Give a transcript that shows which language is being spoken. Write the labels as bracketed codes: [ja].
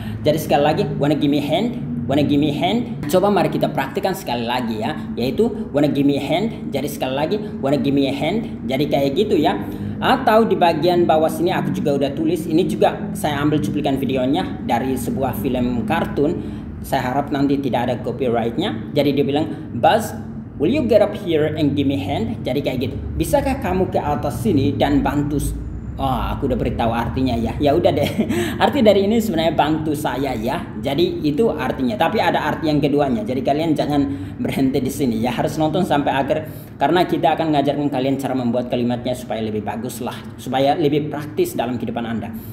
[id] Jadi sekali lagi, [en] wanna give me hand? Wanna give me hand? [id] Coba mari kita praktikkan sekali lagi ya, yaitu [en] wanna give me hand. [id] Jadi sekali lagi, [en] wanna give me a hand. [id] Jadi kayak gitu ya. Atau di bagian bawah sini aku juga udah tulis, ini juga saya ambil cuplikan videonya dari sebuah film kartun. Saya harap nanti tidak ada copyrightnya. Jadi dia bilang, [en] Buzz, will you get up here and give me hand? [id] Jadi kayak gitu. Bisakah kamu ke atas sini dan bantu? Oh, aku udah beritahu artinya ya. Ya udah deh. Arti dari ini sebenarnya bantu saya ya. Jadi itu artinya. Tapi ada arti yang keduanya. Jadi kalian jangan berhenti di sini ya. Harus nonton sampai akhir karena kita akan ngajarkan kalian cara membuat kalimatnya supaya lebih bagus lah, supaya lebih praktis dalam kehidupan Anda.